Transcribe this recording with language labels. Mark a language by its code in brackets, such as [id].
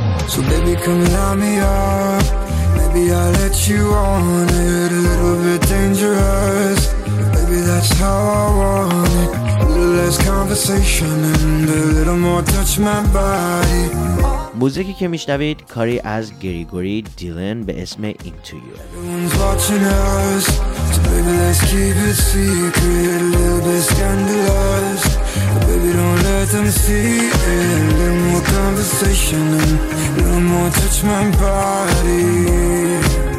[en] So baby, come light me up. Maybe I'll let you on it. A little bit dangerous. Maybe that's how I want it. A little less conversation and a little more touch my body. [fa] موزیکی که میشنوید کاری از گریگوری دیلن به اسم Into You. [en] Everyone's watching us, so baby let's keep it secret, a little bit scandalous, but baby don't let them see it. A little more conversation and a little more touch my body.